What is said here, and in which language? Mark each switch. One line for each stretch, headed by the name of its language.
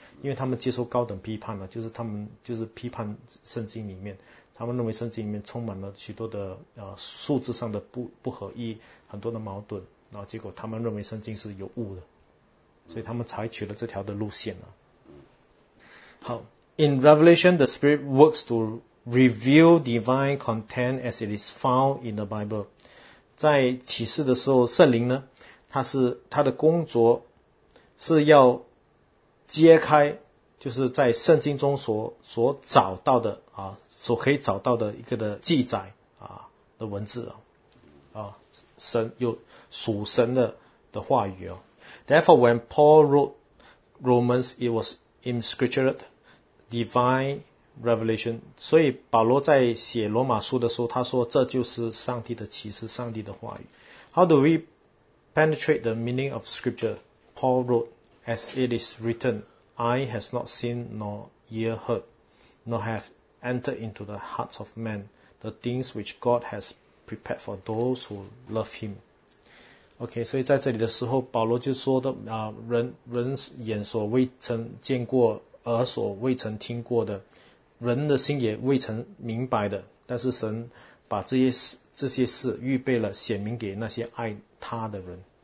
Chinese: 因为他们接受高等批判了，就是他们就是批判圣经里面，他们认为圣经里面充满了许多的数字上的不合一，很多的矛盾，然后结果他们认为圣经是有误的，所以他们采取了这条的路线了。
English: 好 ，In Revelation, the Spirit works to reveal divine content as it is found in the Bible。
Chinese: 在启示的时候，圣灵呢，他的工作是要揭开，就是在圣经中所找到的啊，所可以找到的一个的记载啊的文字啊，神有属神的话语哦。
English: Therefore, when Paul wrote Romans, it was in scripture, divine revelation.
Chinese: 所以保罗在写罗马书的时候，他说这就是上帝的启示，上帝的话语。
English: How do we penetrate the meaning of scripture? Paul wrote. As it is written, eye has not seen, nor ear heard, nor have entered into the hearts of men, the things which God has prepared for those who love him.
Chinese: OK, 所以在这里的时候，保罗就说的，人眼所未曾见过，耳所未曾听过的，人的心也未曾明白的，但是神把这些事预备了，显明给那些爱他的人。